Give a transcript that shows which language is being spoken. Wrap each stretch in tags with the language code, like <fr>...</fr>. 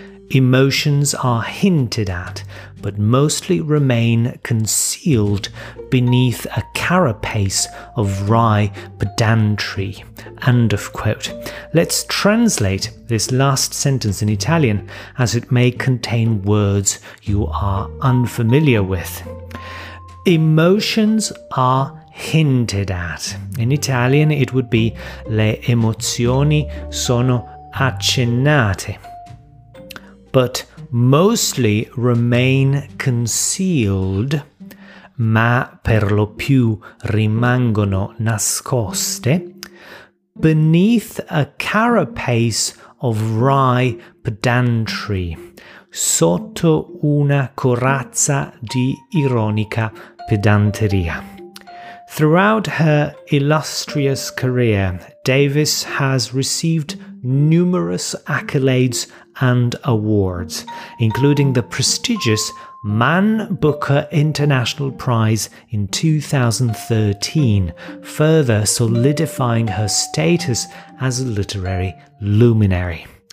<en>Emotions are hinted at, but mostly remain concealed beneath a carapace of wry pedantry." End of quote. Let's translate this last sentence in Italian, as it may contain words you are unfamiliar with. Emotions are hinted at. In Italian, it would be</en> <it>le emozioni sono accennate,</it> <en>but mostly remain concealed,</en> <it>ma per lo più rimangono nascoste,</it> <en>beneath a carapace of wry pedantry,</en> <it>sotto una corazza di ironica pedanteria.</it> <en>Throughout her illustrious career, Davis has received numerous accolades and awards, including the prestigious Man Booker International Prize in 2013, further solidifying her status as a literary luminary.</en>